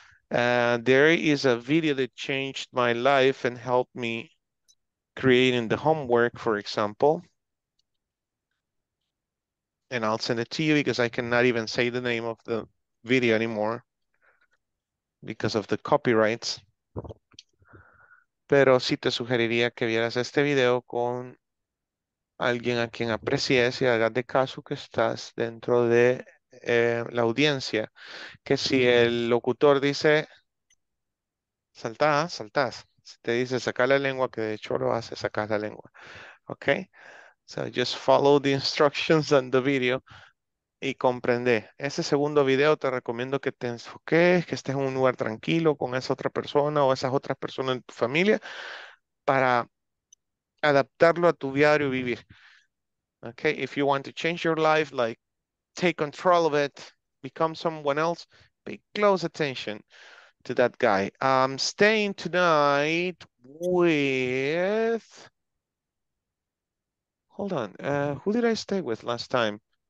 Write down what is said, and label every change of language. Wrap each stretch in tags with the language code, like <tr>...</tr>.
<en>There is a video that changed my life and helped me creating the homework, for example. And I'll send it to you because I cannot even say the name of the video anymore because of the copyrights.</en> <es>Pero sí te sugeriría que vieras este video con alguien a quien aprecies y hagas de caso que estás dentro de la audiencia, que si el locutor dice saltás, si te dice sacar la lengua, que de hecho lo hace, sacar la lengua.</es> <en>Okay, so just follow the instructions on the video</en> <es>y comprende. Ese segundo video te recomiendo que te enfoques, que estés en un lugar tranquilo con esa otra persona o esas otras personas en tu familia para adaptarlo a tu diario vivir.</es> <en>Okay, if you want to change your life, like take control of it, become someone else, pay close attention to that guy. I'm staying tonight with, hold on, who did I stay with last time?</en>